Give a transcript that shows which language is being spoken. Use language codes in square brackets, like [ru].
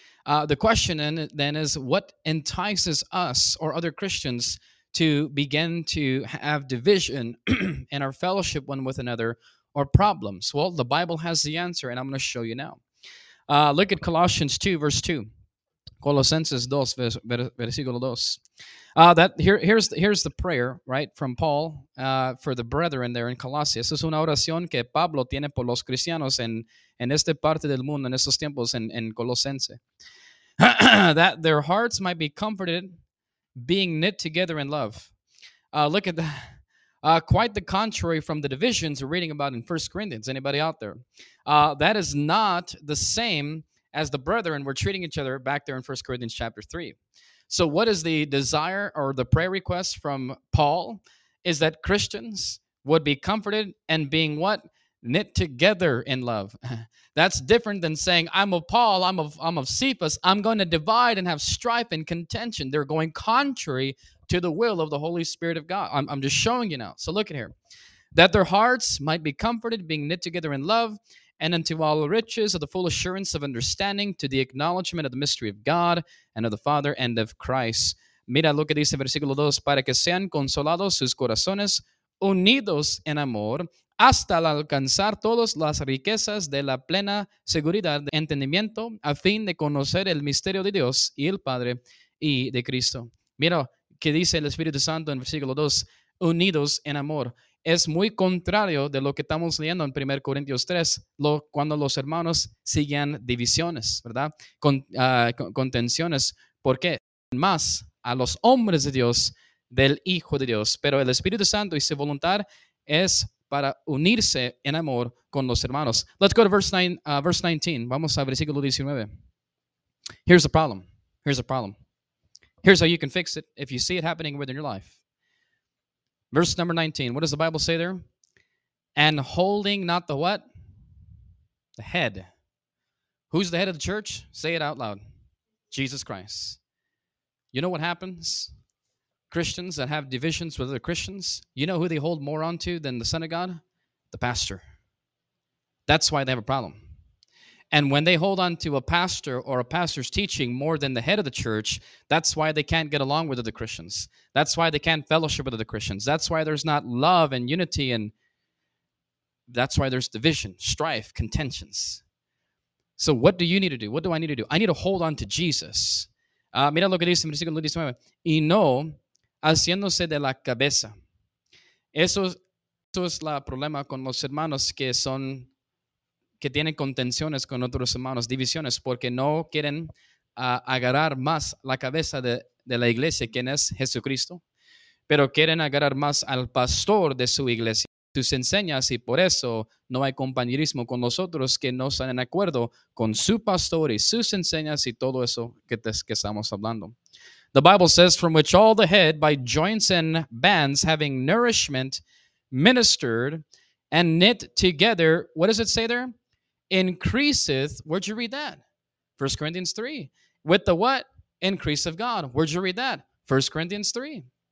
[en] The question then is, what entices us or other Christians to begin to have division in our fellowship one with another, or problems? Well, the Bible has the answer, and I'm going to show you now. Look at Colossians 2, verse 2. [es] Colosenses 2, versículo 2. [en] Here's the prayer, right, from Paul for the brethren there in Colossae. [es] Esa es una oración que Pablo tiene por los cristianos en esta parte del mundo, en estos tiempos, en Colosense. [en] That their hearts might be comforted, being knit together in love. Look at that. Quite the contrary from the divisions we're reading about in 1 Corinthians. Anybody out there? That is not the same as the brethren were treating each other back there in 1 Corinthians chapter 3. So what is the desire or the prayer request from Paul? Is that Christians would be comforted and being what? Knit together in love. That's different than saying, I'm of Paul, I'm of Cephas, I'm going to divide and have strife and contention. They're going contrary to the will of the Holy Spirit of God. I'm just showing you now. So look at here. That their hearts might be comforted, being knit together in love, and unto all riches of the full assurance of understanding, to the acknowledgement of the mystery of God and of the Father and of Christ. [es] Mira lo que dice versículo 2. Para que sean consolados sus corazones, unidos en amor, hasta alcanzar todas las riquezas de la plena seguridad de entendimiento, a fin de conocer el misterio de Dios y el Padre y de Cristo. Mira que dice el Espíritu Santo en versículo 2, unidos en amor. Es muy contrario de lo que estamos leyendo en 1 Corintios 3, cuando los hermanos siguen divisiones, ¿verdad? Contenciones. ¿Por qué? Más a los hombres de Dios, del Hijo de Dios. Pero el Espíritu Santo y su voluntad es para unirse en amor con los hermanos. [en] Let's go to verse 19. [es] Vamos a versículo 19. [en] Here's the problem. Here's how you can fix it if you see it happening within your life. Verse number 19. What does the Bible say there? And holding not the what? The head. Who's the head of the church? Say it out loud. Jesus Christ. You know what happens? Christians that have divisions with other Christians, you know who they hold more onto than the Son of God? The pastor. That's why they have a problem. And when they hold on to a pastor or a pastor's teaching more than the head of the church, that's why they can't get along with other Christians. That's why they can't fellowship with other Christians. That's why there's not love and unity, and that's why there's division, strife, contentions. So what do you need to do? What do I need to do? I need to hold on to Jesus. Mira lo que dice en versículo 19. Y no haciéndose de la cabeza. Eso es el problema con los hermanos que tienen contenciones con otros hermanos, divisiones, porque no quieren agarrar más la cabeza de la iglesia, quien es Jesucristo, pero quieren agarrar más al pastor de su iglesia, sus enseñas, y por eso no hay compañerismo con los otros que no están en acuerdo con su pastor y sus enseñas y todo eso que estamos hablando. The Bible says, from which all the head, by joints and bands, having nourishment, ministered, and knit together, what does it say there? Increaseth, where'd you read that? 1 Corinthians 3. With the what? Increase of God. Where'd you read that? 1 Corinthians 3.